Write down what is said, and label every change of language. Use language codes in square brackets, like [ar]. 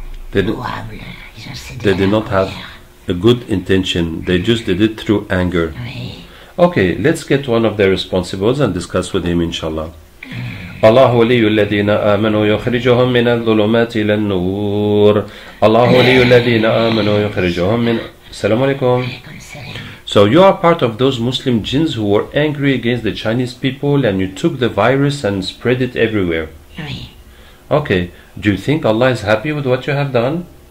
[en] They did not have a good intention. They just did it through anger. Okay, let's get one of their responsibles and discuss with him, inshallah. [ar] الله ولي الذين آمنوا يخرجهم من الظلمات إلى النور. الله ولي الذين آمنوا يخرجهم من. السلام عليكم. [en] So you are part of those Muslim jinns who were angry against the Chinese people and you took the virus and spread it everywhere. Okay. Do you think Allah is happy with what you have done?